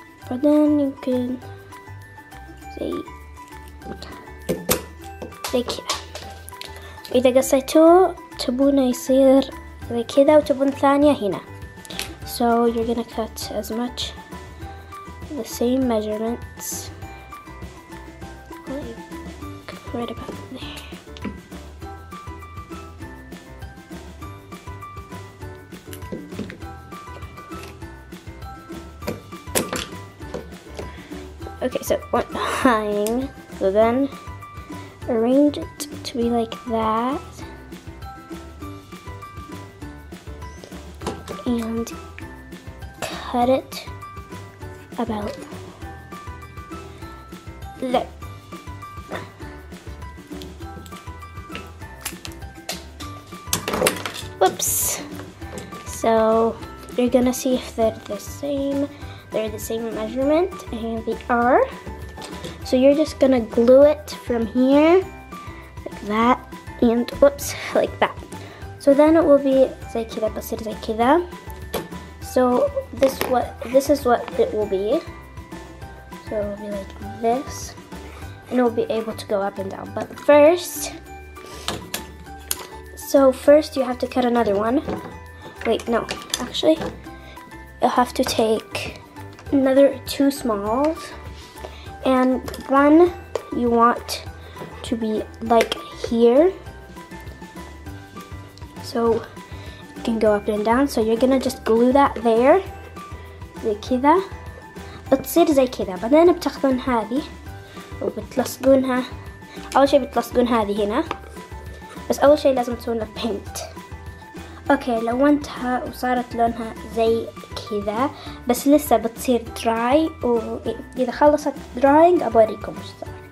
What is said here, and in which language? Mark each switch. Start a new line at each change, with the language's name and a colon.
Arabic: بعدين يمكن زي كذا. إذا قصيتوه تبونه يصير زي كذا، وتبون ثانية هنا.
English: So you're gonna cut as much the same measurements. Right about there. Okay, so one hang. So then arrange it to be like that. And cut it about there. Whoops. So you're gonna see if they're the same. They're the same measurement, and they are. So you're just gonna glue it from here, like that, and whoops, like that. So then it will be
Arabic: زي كذا بصير زي كذا.
English: So this is what it will be. So it will be like this, and it will be able to go up and down. But first, so first you have to cut another one. Wait, no, actually, you'll have to take another two smalls, and one you want to be like here, so it can go up and down. So you're gonna just glue that there, like
Arabic: كذا. بتصير زي كذا. بعدين بتاخذون هذه وبتلصقونها. أول شيء بتلصقون هذه هنا. بس أول شيء لازم تسوون البينت. Okay, لونتها وصارت لونها زي كذا. بس لسه بتصير dry. وإذا خلصت drying أبوريكم وش صار.